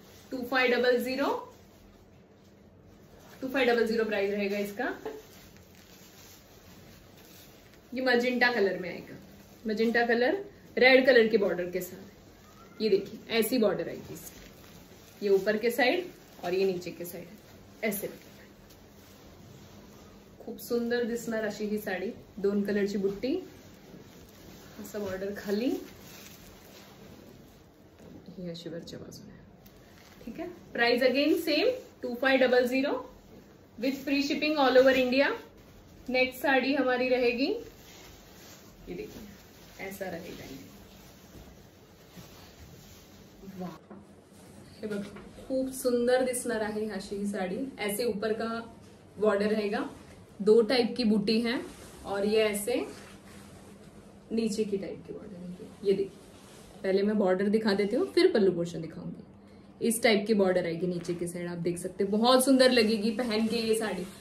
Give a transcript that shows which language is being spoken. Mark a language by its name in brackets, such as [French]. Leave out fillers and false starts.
[Hindi] 2500 price रहेगा इसका। ये मजेंटा कलर में आएगा, मजेंटा कलर रेड कलर के बॉर्डर के साथ। ये देखिए ऐसी बॉर्डर आएगी इसकी, ये ऊपर के साइड और ये नीचे के साइड ऐसे। [Marathi] खूब सुंदर दिसणार अशी ही साड़ी, दोन कलरची बुट्टी, असा बॉर्डर खाली, ही अशी वरच्या बाजूने। [Hindi] ठीक है, price again same 2500 with free shipping all over India. Next sari हमारी रहेगी ये देखिए ऐसा रहेगा। [Marathi] वाह, बघा खूप सुंदर दिसणार आहे अशी ही साडी। [Hindi] ऐसे ऊपर का बॉर्डर रहेगा, दो टाइप की बुटी है और ये ऐसे नीचे की टाइप की बॉर्डर आएगी। ये देखिए पहले मैं बॉर्डर दिखा देती हूँ फिर पल्लू पोर्शन दिखाऊंगी। इस टाइप की बॉर्डर आएगी नीचे की साइड, आप देख सकते हैं बहुत सुंदर लगेगी पहन के ये साड़ी।